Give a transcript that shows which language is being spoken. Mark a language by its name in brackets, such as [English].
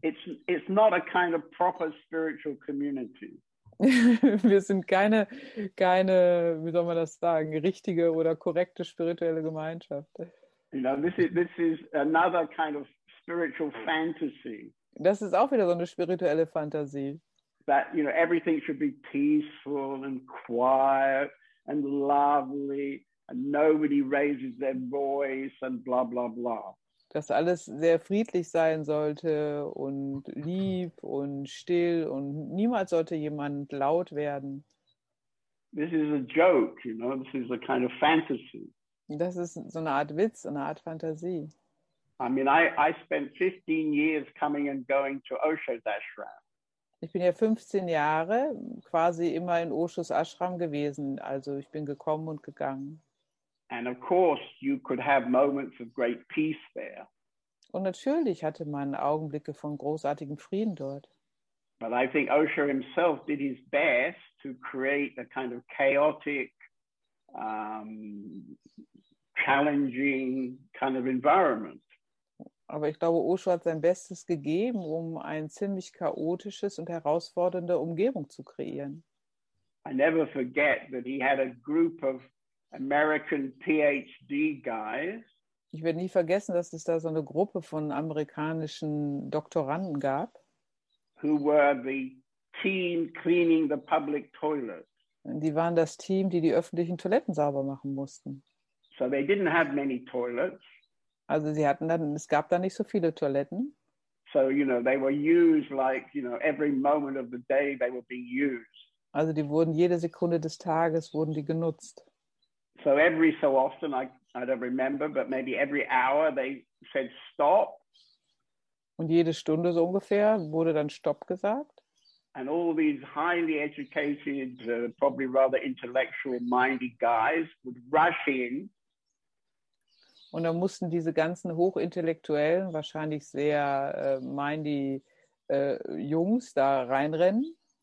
[English] It's not a kind of proper spiritual community. [German] Wir sind keine, wie soll man das sagen, richtige oder korrekte spirituelle Gemeinschaft. [English] You know, this is another kind of spiritual fantasy. [German] Das ist auch wieder so eine spirituelle Fantasie. [English] That, you know, everything should be peaceful and quiet and lovely and nobody raises their voice and blah blah blah. [German] Dass alles sehr friedlich sein sollte und lieb und still und niemals sollte jemand laut werden. [English] This is a joke, you know, this is a kind of fantasy. [German] Das ist so eine Art Witz, eine Art Fantasie. [English] I mean, I spent 15 years coming and going to Osho's ashram. [German] Ich bin ja 15 Jahre quasi immer in Osho's Ashram gewesen, also ich bin gekommen und gegangen. [English] And of course you could have moments of great peace there. [German] Und natürlich hatte man Augenblicke von großartigem Frieden dort. [English] But I think Osho himself did his best to create a kind of chaotic, challenging kind of environment. [German] Aber ich glaube, Osho hat sein Bestes gegeben, um ein ziemlich chaotisches und herausfordernde Umgebung zu kreieren. [English] I never forget that he had a group of American PhD guys. [German] Ich werde nie vergessen, dass es da so eine Gruppe von amerikanischen Doktoranden gab. [English] Who were the team cleaning the public toilets. [German] Die waren das Team, die öffentlichen Toiletten sauber machen mussten. [English] So they didn't have many toilets. [German] Also sie hatten dann, es gab da nicht so viele Toiletten. [English] So, you know, they were used like, you know, every moment of the day they were being used. [German] Also die wurden jede Sekunde des Tages wurden die genutzt. [English] So every so often, I don't remember, but maybe every hour they said stop. [German] Und jede Stunde so ungefähr wurde dann Stopp gesagt. [English] And all these highly educated, probably rather intellectual minded guys would rush in. [German] Und dann mussten diese ganzen hochintellektuellen, wahrscheinlich sehr mindy Jungs da reinrennen.